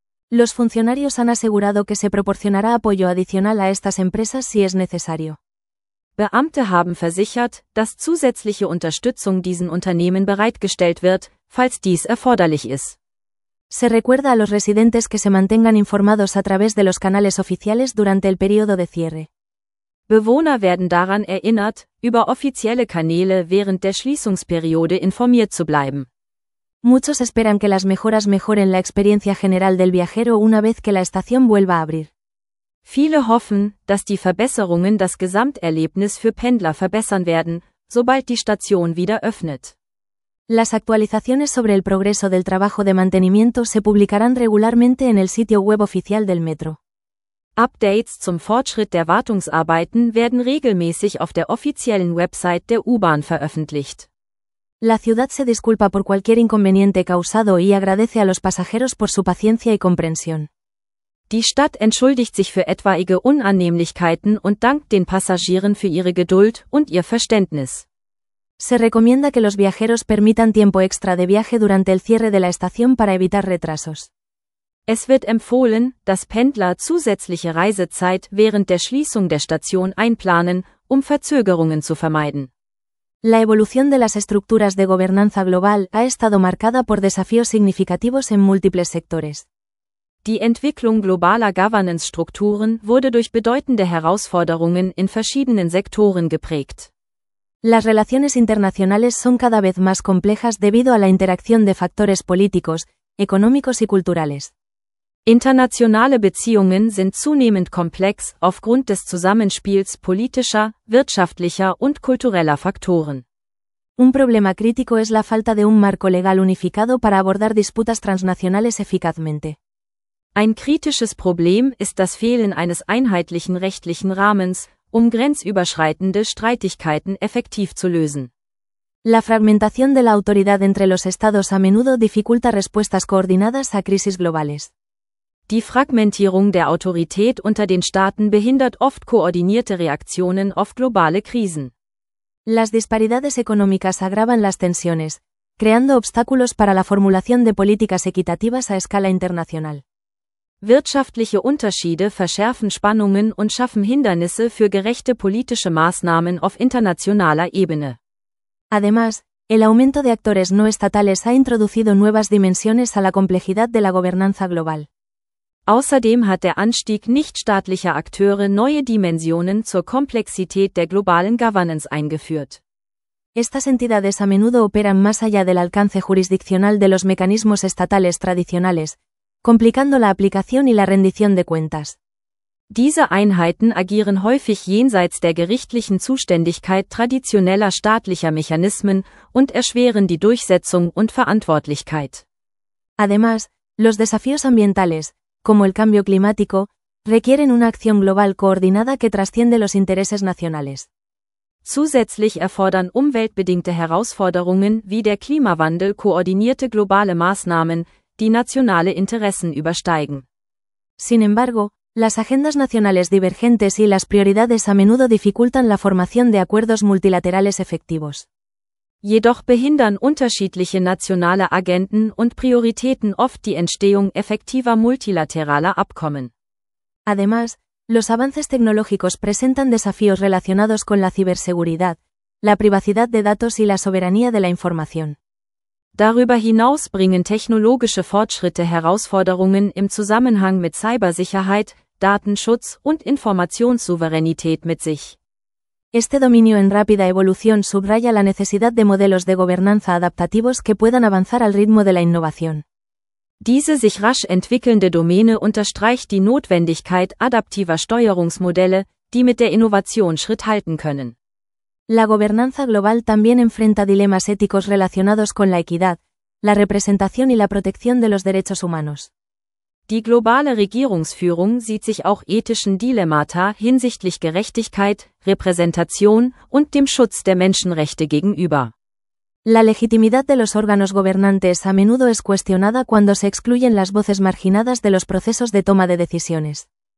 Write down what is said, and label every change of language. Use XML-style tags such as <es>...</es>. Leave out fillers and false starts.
<es>Los funcionarios han asegurado que se proporcionará apoyo adicional a estas empresas si es necesario.</es> <de>Beamte haben versichert, dass zusätzliche Unterstützung diesen Unternehmen bereitgestellt wird, falls dies erforderlich ist.</de> <es>Se recuerda a los residentes que se mantengan informados a través de los canales oficiales durante el periodo de cierre.</es> <de>Bewohner werden daran erinnert, über offizielle Kanäle während der Schließungsperiode informiert zu bleiben.</de> <es>Muchos esperan que las mejoras mejoren la experiencia general del viajero una vez que la estación vuelva a abrir.</es> <de>Viele hoffen, dass die Verbesserungen das Gesamterlebnis für Pendler verbessern werden, sobald die Station wieder öffnet.</de> <es>Las actualizaciones sobre el progreso del trabajo de mantenimiento se publicarán regularmente en el sitio web oficial del metro.</es> <de>Updates zum Fortschritt der Wartungsarbeiten werden regelmäßig auf der offiziellen Website der U-Bahn veröffentlicht.</de> <es>La ciudad se disculpa por cualquier inconveniente causado y agradece a los pasajeros por su paciencia y comprensión.</es> <de>Die Stadt entschuldigt sich für etwaige Unannehmlichkeiten und dankt den Passagieren für ihre Geduld und ihr Verständnis.</de> <es>Se recomienda que los viajeros permitan tiempo extra de viaje durante el cierre de la estación para evitar retrasos.</es> <de>Es wird empfohlen, dass Pendler zusätzliche Reisezeit während der Schließung der Station einplanen, um Verzögerungen zu vermeiden.</de> <es>La evolución de las estructuras de gobernanza global ha estado marcada por desafíos significativos en múltiples sectores.</es> <de>Die Entwicklung globaler Governance-Strukturen wurde durch bedeutende Herausforderungen in verschiedenen Sektoren geprägt.</de> <es>Las relaciones internacionales son cada vez más complejas debido a la interacción de factores políticos, económicos y culturales.</es> <de>Internationale Beziehungen sind zunehmend komplex aufgrund des Zusammenspiels politischer, wirtschaftlicher und kultureller Faktoren.</de> <es>Un problema crítico es la falta de un marco legal unificado para abordar disputas transnacionales eficazmente.</es> <de>Ein kritisches Problem ist das Fehlen eines einheitlichen rechtlichen Rahmens, um grenzüberschreitende Streitigkeiten effektiv zu lösen.</de> <es>La fragmentación de la autoridad entre los estados a menudo dificulta respuestas coordinadas a crisis globales.</es> <de>Die Fragmentierung der Autorität unter den Staaten behindert oft koordinierte Reaktionen auf globale Krisen.</de> <es>Las disparidades económicas agravan las tensiones, creando obstáculos para la formulación de políticas equitativas a escala internacional.</es> <de>Wirtschaftliche Unterschiede verschärfen Spannungen und schaffen Hindernisse für gerechte politische Maßnahmen auf internationaler Ebene.</de> <es>Además, el aumento de actores no estatales ha introducido nuevas dimensiones a la complejidad de la gobernanza global.</es> <de>Außerdem hat der Anstieg nichtstaatlicher Akteure neue Dimensionen zur Komplexität der globalen Governance eingeführt.</de> <es>Estas entidades a menudo operan más allá del alcance jurisdiccional de los mecanismos estatales tradicionales, complicando la aplicación y la rendición de cuentas.</es> <de>Diese Einheiten agieren häufig jenseits der gerichtlichen Zuständigkeit traditioneller staatlicher Mechanismen und erschweren die Durchsetzung und Verantwortlichkeit.</de> <es>Además, los desafíos ambientales, como el cambio climático, requieren una acción global coordinada que trasciende los intereses nacionales.</es> <de>Zusätzlich erfordern umweltbedingte Herausforderungen wie der Klimawandel koordinierte globale Maßnahmen, die nationale Interessen übersteigen.</de> <es>Sin embargo, las agendas nacionales divergentes y las prioridades a menudo dificultan la formación de acuerdos multilaterales efectivos.</es> <de>Jedoch behindern unterschiedliche nationale Agenden und Prioritäten oft die Entstehung effektiver multilateraler Abkommen.</de> <es>Además, los avances tecnológicos presentan desafíos relacionados con la ciberseguridad, la privacidad de datos y la soberanía de la información.</es> <de>Darüber hinaus bringen technologische Fortschritte Herausforderungen im Zusammenhang mit Cybersicherheit, Datenschutz und Informationssouveränität mit sich.</de> <es>Este dominio en rápida evolución subraya la necesidad de modelos de gobernanza adaptativos que puedan avanzar al ritmo de la innovación.</es> <de>Diese sich rasch entwickelnde Domäne unterstreicht die Notwendigkeit adaptiver Steuerungsmodelle, die mit der Innovation Schritt halten können.</de> <es>La gobernanza global también enfrenta dilemas éticos relacionados con la equidad, la representación y la protección de los derechos humanos.</es> <de>Die globale Regierungsführung sieht sich auch ethischen Dilemmata hinsichtlich Gerechtigkeit, Repräsentation und dem Schutz der Menschenrechte gegenüber.</de> <es>La legitimidad de los órganos gobernantes a menudo es cuestionada cuando se excluyen las voces marginadas de los procesos de toma de decisiones.</es>